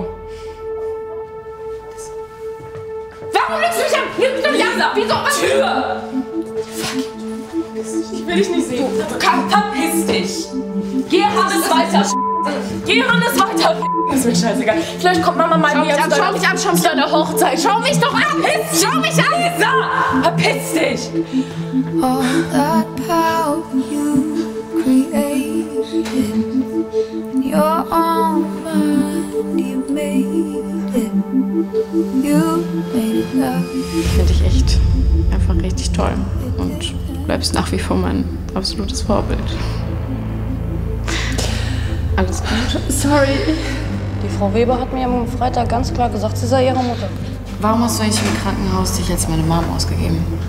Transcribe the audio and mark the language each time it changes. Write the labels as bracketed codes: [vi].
[de] Warum lügst du mich an? Lügst du mich an? wieso? Tür! Fuck. Ich will dich nicht sehen. Du kannst, verpiss dich! Geh Hannes weiter, Geh Hannes weiter, ist mir scheißegal. Vielleicht kommt Mama mal wieder. Schau mich an, schau mich an, deine Hochzeit. Schau mich doch an! Schau mich an! Lisa! Verpiss dich! [en] All that power you created. Your own mind you made it. You made it love. [de] Finde ich echt einfach richtig toll. Und du bleibst nach wie vor mein absolutes Vorbild. Alles gut. Sorry. Die Frau Weber hat mir am Freitag ganz klar gesagt, sie sei ihre Mutter. Warum hast du eigentlich im Krankenhaus dich jetzt meine Mom ausgegeben?